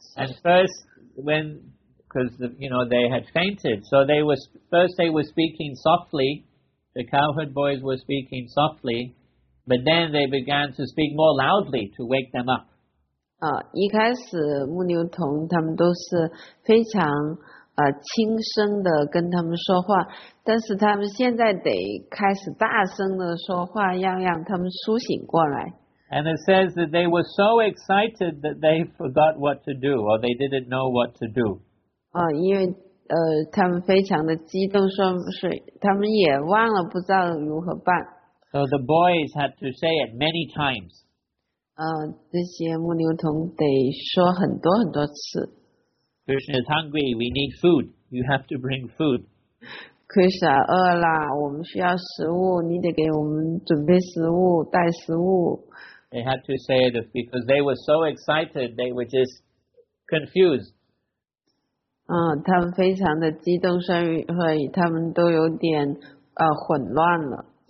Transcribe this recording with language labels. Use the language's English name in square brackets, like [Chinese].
[English] And first, when, because, you know, they had fainted, so they were, first they were speaking softly, the cowherd boys were speaking softly, but then they began to speak more loudly to wake them up. [Chinese] 一开始牧牛童他们都是非常轻声的跟他们说话，但是他们现在得开始大声的说话，要让他们苏醒过来。 [English] And it says that they were so excited that they forgot what to do, or they didn't know what to do. [Chinese] 因为他们非常的激动，说是他们也忘了不知道如何办。 [English] So the boys had to say it many times. [Chinese] 这些牧牛童得说很多很多次。 [English] Krishna is hungry. We need food. You have to bring food. [Chinese] Krishna 饿了，我们需要食物，你得给我们准备食物，带食物。 [English] They had to say it because they were so excited. They were just confused. [Chinese] 他们非常的激动，所以他们都有点混乱了。